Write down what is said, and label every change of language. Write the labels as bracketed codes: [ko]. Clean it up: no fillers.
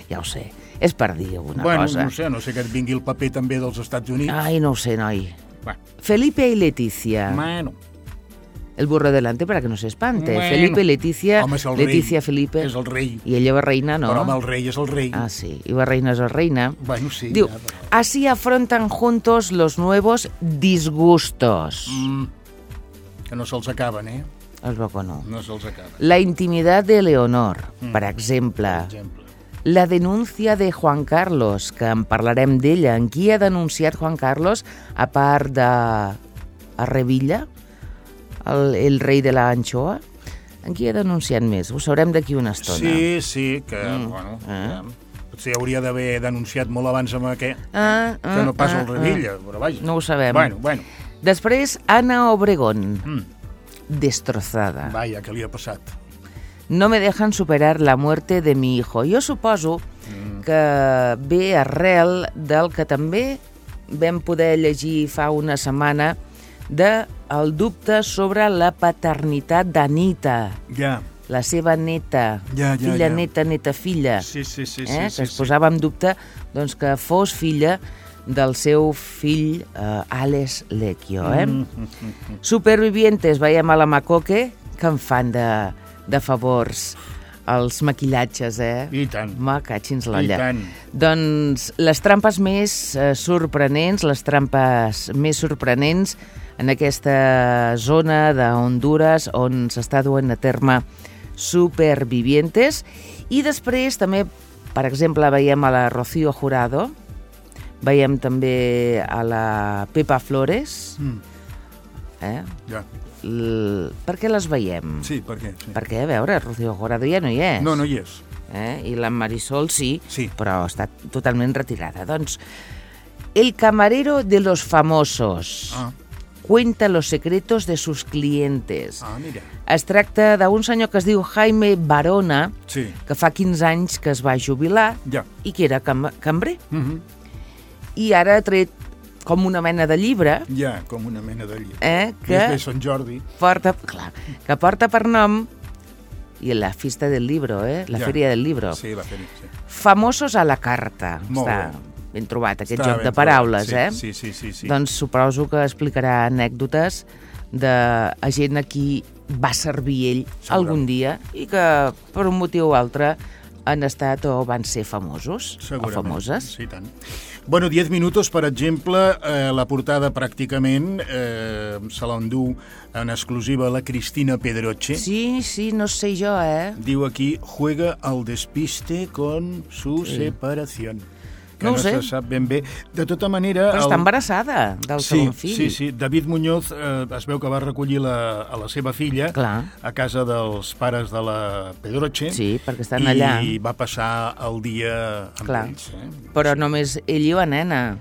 [ca] Ja ho sé, és per dir alguna cosa. Bueno, no sé que et vingui el paper també dels Estats Units. Ai, no ho sé, noi. Va. Felipe i Letícia. Bueno. [es] El burro delante para que no se espante. Bueno, Felipe, Leticia, [ca] home, és el Leticia rei. Felipe. És el rei. I ella va reina, no? Però home, el rei és el rei. Ah, sí. I va reina és el reina. Bueno, sí. Diu, ja, però... [es] Así afrontan juntos los nuevos disgustos. [ca] Que no se'ls acaben, eh? Es veu que no. No se'ls acaben. La intimidad de Leonor, per exemple. Per exemple. La denúncia de Juan Carlos, que en parlarem d'ella. En qui ha denunciat Juan Carlos, a part de... a Revilla... El rei de l'anxoa? En qui ha denunciat més? Ho sabrem d'aquí una estona. Sí, sí, que, bueno... Potser hauria d'haver denunciat molt abans amb aquest... que no pas el Revilla, però vaja. No ho sabem. Bueno. Després, Ana Obregón. Destrozada. Vaya, què li ha passat? [es] No me dejan superar la muerte de mi hijo. [ca] Jo suposo que ve arrel del que també vam poder llegir fa una setmana de el dubte sobre la paternitat d'Anita. Ja. Yeah. La seva neta, yeah, filla yeah, neta, neta filla. Sí, sí, sí. Que sí, es posava en dubte doncs, que fos filla del seu fill, Alex Lecchio. Supervivientes, veiem a la Macoque, que en fan de favors els maquillatges, eh? I tant. Ma, catxins l'olla. I tant. Doncs les trampes més sorprenents, les trampes més sorprenents en aquesta zona d'Honduras on s'està duent a terme Supervivientes. I després també, per exemple, veiem a la Rocío Jurado, veiem també a la Pepa Flores. Per què les veiem? Sí, per què? Sí. Perquè, a veure, Rocío Jurado ja no hi és. No, no hi és. I la Marisol sí, sí, però està totalment retirada. [es] Doncs, el camarero de los famosos. Ah. Cuenta los secretos de sus clientes. Ah, mira. [ca] Es tracta d'un senyor que es diu Jaime Barona, sí, que fa 15 anys que es va jubilar, ja, i que era cambrer. Uh-huh. I ara ha tret com una mena de llibre. Ja, com una mena de llibre. Que és de Sant Jordi. Porta, clar, que porta per nom i la Fiesta del Libro, la ja, Feria del Libro. Sí, la Feria, sí. Famosos a la carta. Molt està bé. Ben trobat aquest joc de paraules, sí, eh? Sí, sí, sí, sí. Doncs suposo que explicarà anècdotes de gent a qui va servir ell segurament algun dia i que, per un motiu o altre, han estat o van ser famosos, segurament, o famoses. Sí, tant. Bueno, 10 minuts, per exemple, la portada pràcticament se l'endú en exclusiva la Cristina Pedroche. Sí, sí, no sé jo, eh? Diu aquí, [es] juega al despiste con su sí, separación. [ca] Que no sé, se sap ben bé. De tota manera, però està embarassada del sí, segon fill. Sí, sí. David Muñoz es veu que va recollir a la seva filla. Clar. A casa dels pares de la Pedroche. Sí, perquè estan allà. I va passar el dia amb clar, ells. Però sí, només ell i la nena.